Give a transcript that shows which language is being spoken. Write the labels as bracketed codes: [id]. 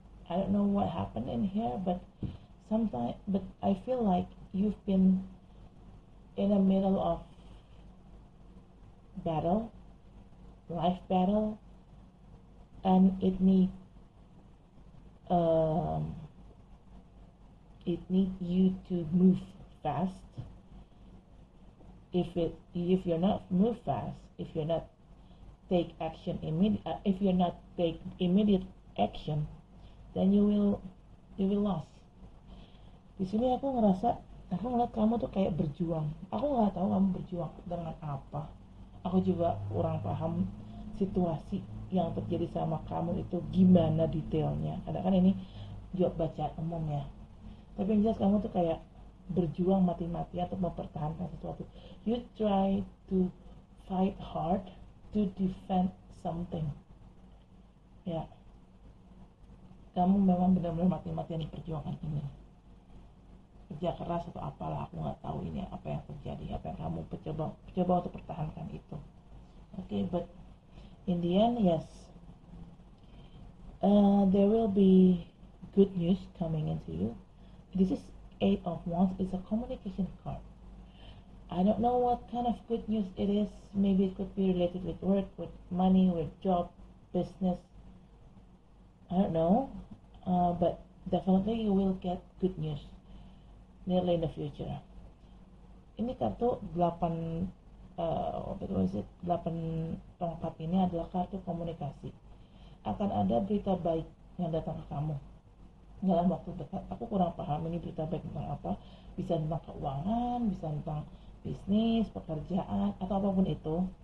[en] I don't know what happened in here, but I feel like you've been in the middle of battle, life battle, and it need you to move fast. if you're not move fast, if you're not take action if you're not take immediate action, then you will lost. [id] Di sini aku ngerasa, aku ngeliat kamu tuh kayak berjuang. Aku nggak tahu kamu berjuang dengan apa. Aku juga kurang paham situasi yang terjadi sama kamu itu gimana detailnya. Karena kan ini job bacaan umum ya. Tapi yang jelas kamu tuh kayak berjuang mati-matian untuk mempertahankan sesuatu. [en] You try to fight hard to defend something. [id] Ya. Kamu memang benar-benar mati-matian di perjuangan ini. Kerja keras atau apalah, aku nggak tahu ini apa yang terjadi, apa yang kamu coba untuk pertahankan itu. [en] Okay, but in the end, yes, there will be good news coming into you. This is Eight of Wands. It's a communication card. I don't know what kind of good news it is. Maybe it could be related with work, with money, with job, business. I don't know, but definitely you will get good news nearly in the future. [id] Ini kartu 8 8 tongkat ini adalah kartu komunikasi. Akan ada berita baik yang datang ke kamu dalam waktu dekat. Aku kurang paham ini berita baik tentang apa. Bisa tentang keuangan, bisa tentang bisnis, pekerjaan, atau apapun itu.